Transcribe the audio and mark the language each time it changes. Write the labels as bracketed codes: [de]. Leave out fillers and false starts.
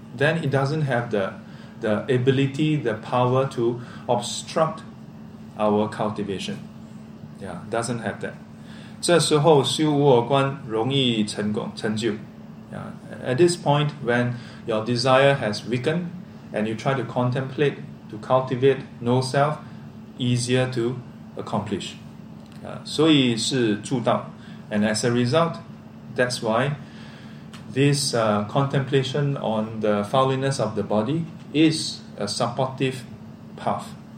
[en] Then it doesn't have the ability, the power to obstruct our cultivation. Yeah, doesn't have that. [zh] 这时候修无我观容易成功成就. [en] Yeah, at this point, when your desire has weakened and you try to contemplate, to cultivate no self, easier to accomplish. [zh] 所以是助道. [en] And as a result, that's why this contemplation on the foulness of the body is a supportive path.